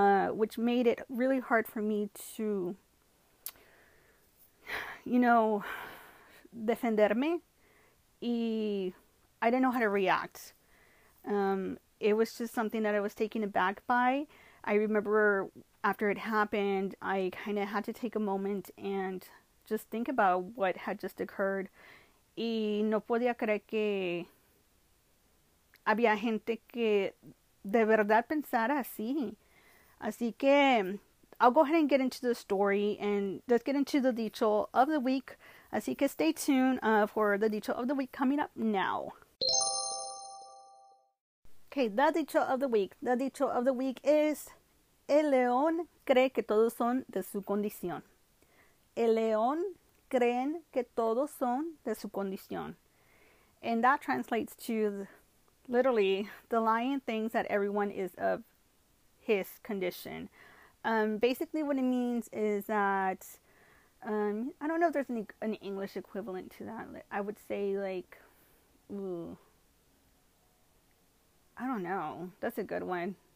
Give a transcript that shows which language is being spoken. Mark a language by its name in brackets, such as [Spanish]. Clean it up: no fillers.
[English] Which made it really hard for me to, you know, defenderme, I didn't know how to react. It was just something that I was taken aback by. I remember after it happened, I kind of had to take a moment and just think about what had just occurred. [Spanish] Y no podía creer que había gente que de verdad pensara así. [English] Así que, I'll go ahead and get into the story, and let's get into the dicho of the week. Así que stay tuned for the dicho of the week coming up now. Okay, the dicho of the week. The dicho of the week is, el león cree que todos son de su condición. [Spanish] El león creen que todos son de su condición. [English] And that translates to literally, the lion thinks that everyone is of his condition. Basically what it means is that, I don't know if there's an English equivalent to that. I would say like, I don't know. That's a good one.